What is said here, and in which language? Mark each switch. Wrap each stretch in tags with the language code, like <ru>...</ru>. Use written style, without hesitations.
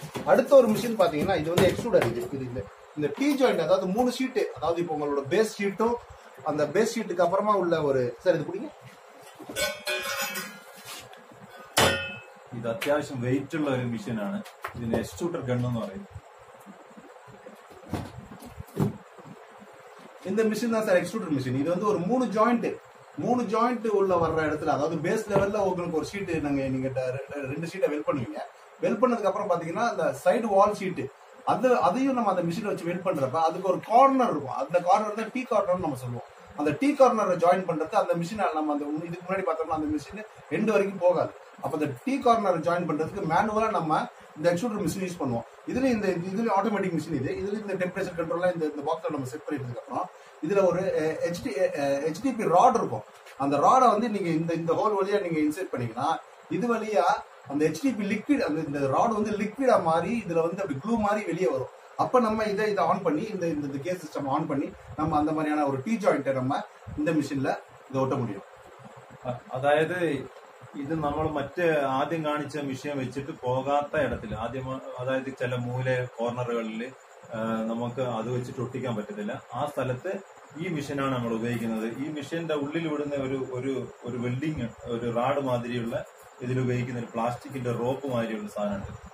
<ml>അടുത്ത ഒരു machine പാത്തീങ്കന്നാ extrude T joint അതായത് മൂന്ന് ഷീറ്റ് അതായത് ഇപ്പൊ ഉള്ളോട് ബേസ് ഷീറ്റും അത് ബേസ് ഷീറ്റ്ക്ക് അപ്പുറമാ ഉള്ള ഒരു സാർ ഇത് കുടിക്ക ഇത് അത്യാവശ്യം വെയിറ്റ് ഉള്ള ഒരു മെഷീൻ ആണ്. ഇതിന് എക്സ്ട്രൂഡർ ഗണ് എന്ന് പറയുന്നത്</ml> <ta>இந்த மிஷின் தான் சார் எக்ஸ்ட்ரூடர் மிஷின். இது வந்து ஒரு மூணு ஜாயிண்ட் உள்ள வர்ற இடத்துல அதாவது பேஸ் லெவல்ல உங்களுக்கு ஒரு ஷீட் நீங்க ரெண்டு ஷீட்டை வெல் பண்ணுவீங்க. வெல் பண்ணதுக்கு அப்புறம் பாத்தீங்கன்னா அந்த சைடு வால் ஷீட்டு அதையும் நம்ம அந்த மிஷின் வச்சு வெல் பண்றப்ப அதுக்கு ஒரு கார்னர் இருக்கும். அந்த கார்னர் தான் டீ கார்னர் நம்ம சொல்லுவோம். அந்த டீ கார்னர் ஜாயின் பண்றது அந்த மிஷின் நம்ம அந்த இதுக்கு முன்னாடி பார்த்தோம்னா அந்த மிஷின் ரெண்டு வரைக்கும் போகாது. அப்ப அந்த டீ கார்னர் ஜாயின் பண்றதுக்கு மேனுவலா நம்ம இந்த எக்ஸ்ட்ரூடர் மிஷின் யூஸ் பண்ணுவோம். இதுல இந்த ஆட்டோமேட்டிக் மிஷின் இது. இதுல இந்த டெம்பரேச்சர் கண்ட்ரோல் இந்த பாக்ஸ்ல நம்ம செட் பண்ணிட்டு இருக்கோம். இதுல ஒரு HDPE ராட் இருக்கும். அந்த ராடை வந்து நீங்க இந்த ஹோல் வழியா நீங்க இன்சர்ட் பண்ணீங்கன்னா இது வழியா அந்த HDPE லிக்விட் அந்த இந்த ராட் வந்து லிக்விடா மாறி இதுல வந்து அப்படி க்ளூ மாதிரி வெளியே வரும். அப்ப நம்ம இதை ஆன் பண்ணி இந்த கேஸ் சிஸ்டம் ஆன் பண்ணி நம்ம அந்த மாதிரியான ஒரு டீ ஜாயிண்ட நம்ம இந்த மிஷின்ல இதை ஒட்ட முடியும். அதாவது</ta> <ml>ഇത് നമ്മൾ മറ്റേ ആദ്യം കാണിച്ച മെഷീൻ വെച്ചിട്ട് പോകാത്ത ഇടത്തിൽ ആദ്യം അതായത് ചില മൂല കോർണറുകളിൽ നമുക്ക് അത് വെച്ചിട്ട് ഒട്ടിക്കാൻ പറ്റത്തില്ല. ആ സ്ഥലത്ത് ഈ മെഷീനാണ് നമ്മൾ ഉപയോഗിക്കുന്നത്. ഈ മെഷീന്റെ ഉള്ളിൽ വിടുന്ന ഒരു ഒരു ഒരു വെൽഡിങ് ഒരു റാഡ് മാതിരിയുള്ള ഇതിൽ ഉപയോഗിക്കുന്ന ഒരു പ്ലാസ്റ്റിക്കിന്റെ റോപ്പ് മാതിരിയുള്ള സാധനമാണ്.</ml>